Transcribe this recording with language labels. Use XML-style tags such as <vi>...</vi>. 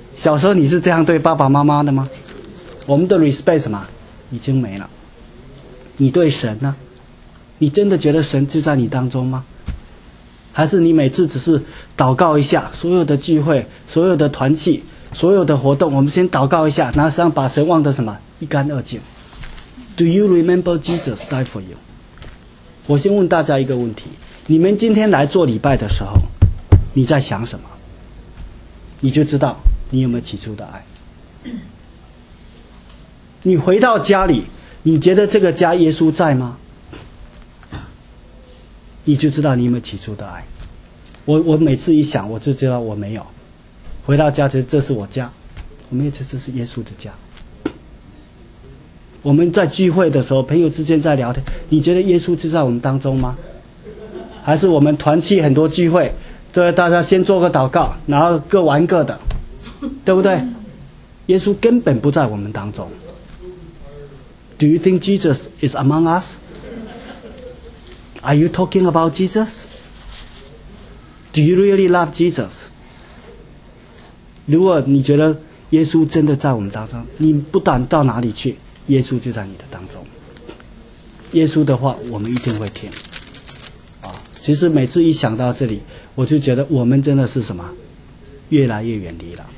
<zh>小时候你是这样对爸爸妈妈的吗？我们的 respect 什么已经没了。你对神呢？你真的觉得神就在你当中吗？还是你每次只是祷告一下，所有的聚会、所有的团契、所有的活动，我们先祷告一下，然后实际上把神忘得什么一干二净。</zh> <en>Do you remember Jesus died for you?</en> <zh>我先问大家一个问题，你们今天来做礼拜的时候你在想什么，你就知道你有没有起初的爱。你回到家里，你觉得这个家耶稣在吗？你就知道你有没有起初的爱。我每次一想我就知道我没有回到家，这是我家，我没有，这是耶稣的家。我们在聚会的时候，朋友之间在聊天，你觉得耶稣就在我们当中吗？还是我们团契很多聚会，这大家先做个祷告，然后各玩各的，对不对？耶稣根本不在我们当中。</zh> <en>Do you think Jesus is among us? Are you talking about Jesus? Do you really love Jesus?</en> <zh>如果你觉得耶稣真的在我们当中，你不管到哪里去，耶稣就在你的当中，耶稣的话我们一定会听啊。其实每次一想到这里，我就觉得我们真的是什么越来越远离了。</zh>